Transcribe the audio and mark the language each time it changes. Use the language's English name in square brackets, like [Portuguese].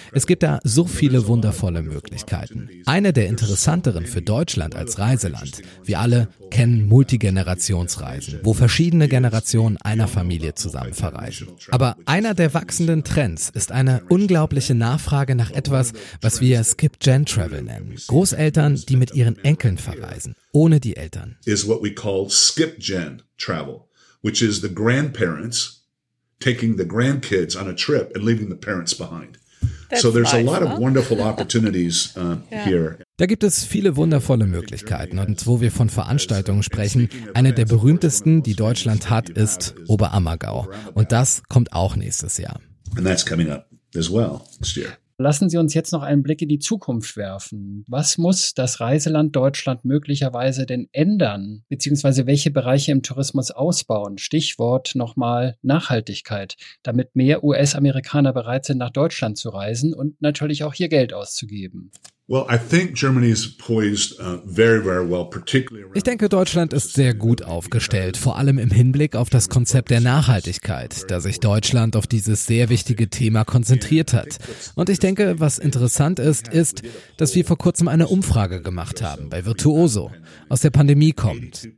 [German] Es gibt da so viele wundervolle Möglichkeiten. Eine der interessanteren für Deutschland als Reiseland, wir alle kennen Multigenerationsreisen, wo verschiedene Generationen einer Familie zusammen verreisen. Aber einer der wachsenden Trends ist eine unglaubliche Nachfrage nach etwas, was wir Skip Gen Travel nennen. Großeltern, die mit ihren Enkeln verreisen, ohne die Eltern. [English] Is what we call Skip Gen Travel, which is the grandparents taking the grandkids on a trip and leaving the parents behind. So there's a lot of wonderful opportunities here. [German] Da gibt es viele wundervolle Möglichkeiten, und wo wir von Veranstaltungen sprechen, eine der berühmtesten, die Deutschland hat, ist Oberammergau. Und das kommt auch nächstes Jahr. [English] And that's coming up as well next year. [German] Lassen Sie uns jetzt noch einen Blick in die Zukunft werfen. Was muss das Reiseland Deutschland möglicherweise denn ändern, beziehungsweise welche Bereiche im Tourismus ausbauen? Stichwort nochmal Nachhaltigkeit, damit mehr US-Amerikaner bereit sind, nach Deutschland zu reisen und natürlich auch hier Geld auszugeben. [English] Well, I think Germany is poised very, very well, particularly around. [German] Ich denke, Deutschland ist sehr gut aufgestellt, vor allem im Hinblick auf das Konzept der Nachhaltigkeit, da sich Deutschland auf dieses sehr wichtige Thema konzentriert hat. Und ich denke, was interessant ist, ist, dass wir vor kurzem eine Umfrage gemacht haben bei Virtuoso, aus der Pandemie kommt.